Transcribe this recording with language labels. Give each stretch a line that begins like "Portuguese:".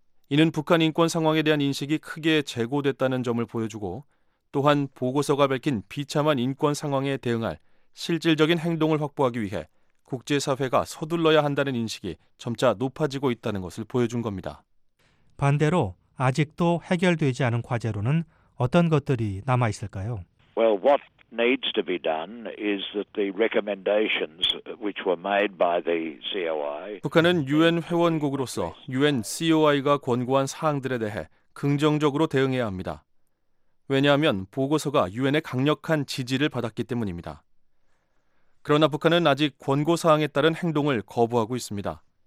Korean: 이는 북한 인권 상황에 대한 인식이 크게 재고됐다는 점을 보여주고 또한 보고서가 밝힌 비참한 인권 상황에 대응할 실질적인 행동을 확보하기 위해 국제사회가 서둘러야 한다는 인식이 점차 높아지고 있다는 것을 보여준 겁니다. 반대로 아직도 해결되지 않은 과제로는 어떤 것들이 남아 있을까요?
English: Well, what needs to be done is that the recommendations which were made by the COI.
Korean: 북한은 UN 회원국으로서 UN COI가 권고한 사항들에 대해 긍정적으로 대응해야 합니다. 왜냐하면 보고서가 UN의 강력한 지지를 받았기 때문입니다. 그러나 북한은 아직 권고사항에 따른 행동을 거부하고 있습니다.